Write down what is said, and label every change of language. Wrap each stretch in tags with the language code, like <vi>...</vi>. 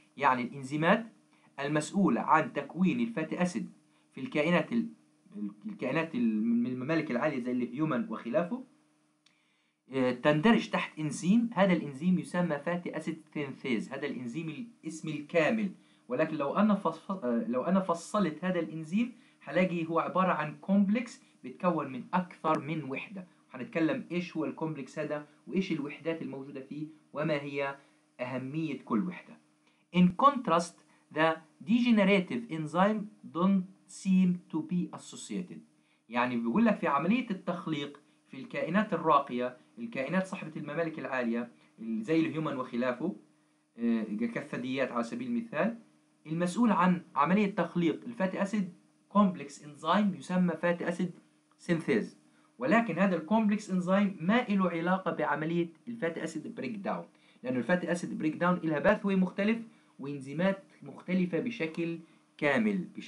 <ar>يعني الانزيمات المسؤولة عن تكوين الفاتي اسيد في الكائنات الممالك العالية زي الهيومن وخلافه تندرج تحت إنزيم، هذا الإنزيم يسمى فاتي أسيد سينثيز، هذا الإنزيم الاسم الكامل. ولكن لو أنا فصلت هذا الإنزيم هلاقي هو عبارة عن كومبلكس بتكون من أكثر من وحدة. هنتكلم إيش هو الكومبلكس هذا وإيش الوحدات الموجودة فيه وما هي أهمية كل وحدة.</ar> <en>In contrast the degenerative enzyme don't seem to be associated.</en> <ar>يعني بيقول لك في عملية التخليق في الكائنات الراقية، الكائنات صاحبة الممالك العالية زي الهيومن وخلافه كالثدييات على سبيل المثال، المسؤول عن عملية تخليق الفاتي أسيد كومبلكس إنزيم يسمى فاتي أسيد سينثيز، ولكن هذا الكومبلكس إنزيم ما له علاقة بعملية الفاتي أسيد بريك داون، لأن الفاتي أسيد بريك داون إلها باثوي مختلف وإنزيمات مختلفة بشكل كامل</ar>